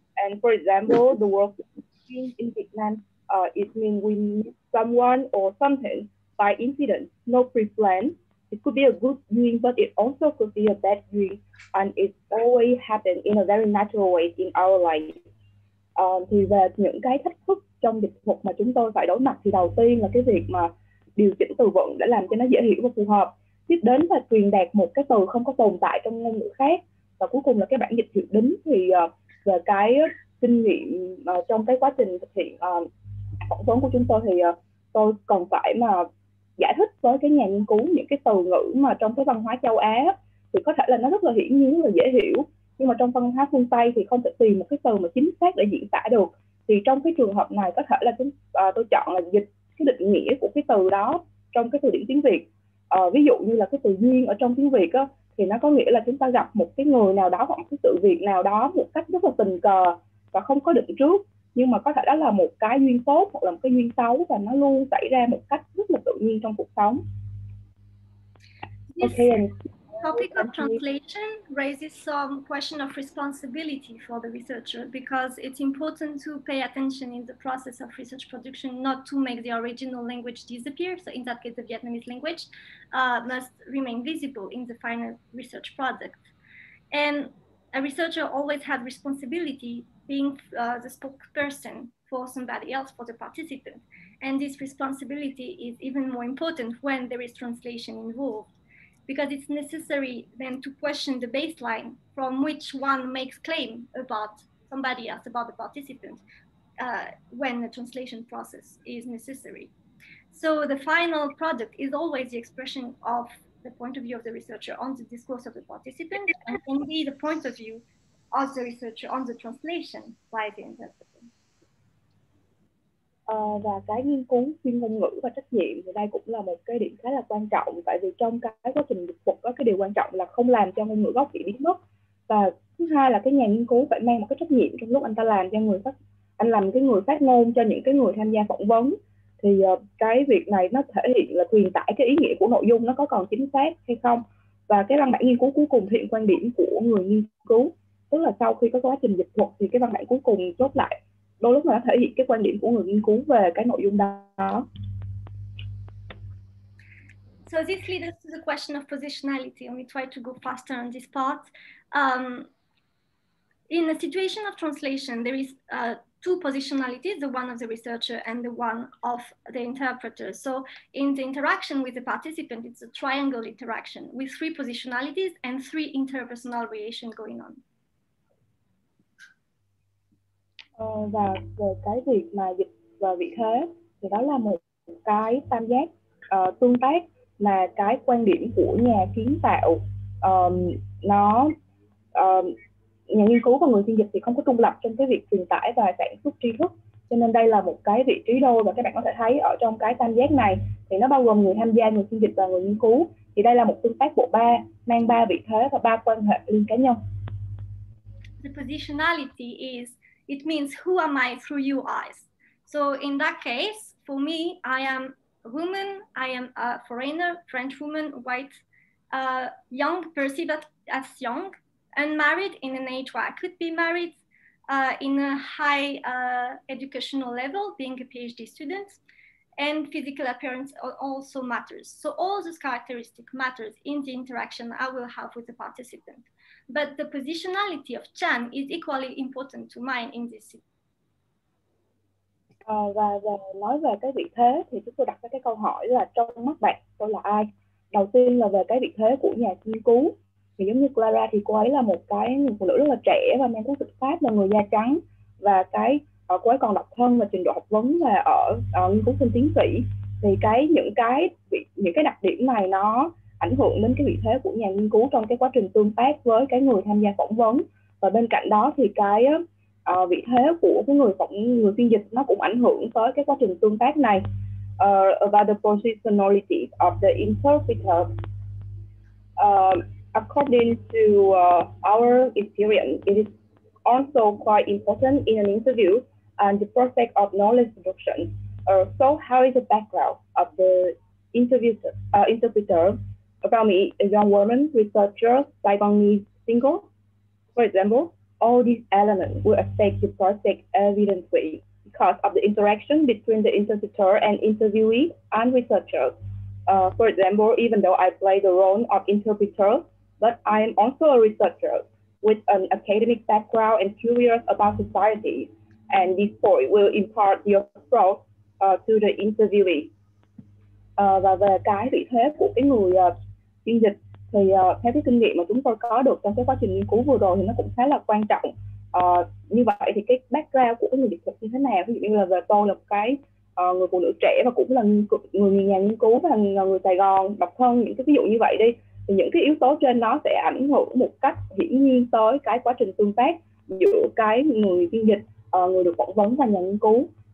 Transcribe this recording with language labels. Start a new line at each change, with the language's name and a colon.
English: And for example, the word "chiến" in Vietnam, it means we meet someone or something by incident, not pre-planned. It could be a good dream, but it also could be a bad dream. And it always happens in a very natural way in our life.
Vietnamese: Thì về những cái thách thức trong dịch thuật mà chúng tôi phải đối mặt thì đầu tiên là cái việc mà điều chỉnh từ vựng để làm cho nó dễ hiểu và phù hợp. Tiếp đến là truyền đạt một cái từ không có tồn tại trong ngôn ngữ khác. Và cuối cùng là cái bản dịch hiệu đính. Thì về cái kinh nghiệm trong cái quá trình thực hiện phỏng vấn của chúng tôi thì tôi còn phải mà giải thích với cái nhà nghiên cứu những cái từ ngữ mà trong cái văn hóa châu Á thì có thể là nó rất là hiển nhiên và dễ hiểu, nhưng mà trong văn hóa phương Tây thì không thể tìm một cái từ mà chính xác để diễn tả được. Thì trong cái trường hợp này có thể là tôi chọn là dịch cái định nghĩa của cái từ đó trong cái từ điển tiếng Việt. Ví dụ như là cái từ duyên ở trong tiếng Việt á, thì nó có nghĩa là chúng ta gặp một cái người nào đó hoặc cái sự việc nào đó một cách rất là tình cờ và không có định trước, nhưng mà có thể đó là một cái duyên tốt hoặc là một cái duyên xấu và nó luôn xảy ra một cách rất là tự nhiên trong cuộc sống.
English: This okay. Topic of translation raises some question of responsibility for the researcher because it's important to pay attention in the process of research production not to make the original language disappear. So in that case, the Vietnamese language must remain visible in the final research product. And a researcher always had responsibility being the spokesperson for somebody else, for the participant. And this responsibility is even more important when there is translation involved, because it's necessary then to question the baseline from which one makes claim about somebody else, about the participant, when the translation process is necessary. So the final product is always the expression of the point of view of the researcher on the discourse of the participant, and can be the point of view of the researcher on the translation by the interpreter.
Vietnamese: Và cái nghiên cứu chuyên ngôn ngữ và trách nhiệm thì đây cũng là một cái điểm khá là quan trọng, tại vì trong cái quá trình dịch thuật có cái điều quan trọng là không làm cho ngôn ngữ gốc bị biến mất. Và thứ hai là cái nhà nghiên cứu phải mang một cái trách nhiệm trong lúc anh ta làm cho người phát, anh làm cái người phát ngôn cho những cái người tham gia phỏng vấn, thì cái việc này nó thể hiện là truyền tải cái ý nghĩa của nội dung nó có còn chính xác hay không. Và cái văn bản nghiên cứu cuối cùng thể hiện quan điểm của người nghiên cứu, tức là sau khi có quá trình dịch thuật thì cái văn bản cuối cùng chốt lại đôi lúc mà nó thể hiện cái quan điểm của người nghiên cứu về cái nội dung đó.
English: So this leads us to the question of positionality, and we try to go faster on this part. In a situation of translation, there is two positionalities, the one of the researcher and the one of the interpreter. So in the interaction with the participant, it's a triangle interaction with three positionalities and three interpersonal relations going on.
Vietnamese: Và về cái việc mà dịch và vị thế thì đó là một cái tam giác tương tác mà cái quan điểm của nhà kiến tạo nhà nghiên cứu và người phiên dịch thì không có trung lập trong cái việc truyền tải và sản xuất tri thức, cho nên đây là một cái vị trí đôi. Và các bạn có thể thấy ở trong cái tam giác này thì nó bao gồm người tham gia, người phiên dịch và người nghiên cứu, thì đây là một tương tác bộ ba mang ba vị thế và ba quan hệ liên cá nhân.
English: The positionality is, it means who am I through your eyes. So in that case, for me, I am a woman, I am a foreigner, French woman, white, young, perceived as young, unmarried in an age where I could be married, in a high educational level, being a PhD student, and physical appearance also matters. So all those characteristics matters in the interaction I will have with the participant. But the positionality of Chan is equally important to mine in this.
Vietnamese: Và nói về cái vị thế thì chúng tôi đặt ra cái câu hỏi là trong mắt bạn tôi là ai. Đầu tiên là về cái vị thế của nhà nghiên cứu, thì giống như Clara thì cô ấy là một cái người phụ nữ rất là trẻ và mang quốc tịch Pháp, là người da trắng, và cái cô ấy còn độc thân và trình độ học vấn là ở nghiên cứu sinh tiến sĩ. Thì cái những cái đặc điểm này nó ảnh hưởng đến cái vị thế của nhà nghiên cứu trong cái quá trình tương tác với cái người tham gia phỏng vấn. Và bên cạnh đó thì cái vị thế của cái người phiên dịch nó cũng ảnh hưởng tới cái quá trình tương tác này.
English: About the positionality of the interpreter, according to our experience, it is also quite important in an interview and the process of knowledge production. So how is the background of the interpreter? About me, a young woman, researcher, Taiwanese single, for example, all these elements will affect the project evidently because of the interaction between the interpreter and interviewee and researcher. For example, even though I play the role of interpreter, but I am also a researcher with an academic background and curious about society. And this point will impart your thoughts to the interviewee.
Vietnamese: Và về cái vị thế của cái người phiên dịch thì theo cái kinh nghiệm mà chúng tôi có được trong cái quá trình nghiên cứu vừa rồi thì nó cũng khá là quan trọng. Như vậy thì cái background của cái người dịch thuật như thế nào, ví dụ như là về tôi là một cái người phụ nữ trẻ và cũng là người nhà nghiên cứu và là người Sài Gòn độc thân, những cái ví dụ như vậy đi, thì những cái yếu tố trên nó sẽ ảnh hưởng một cách hiển nhiên tới cái quá trình tương tác giữa cái người phiên dịch, người được phỏng vấn và nhà nghiên cứu.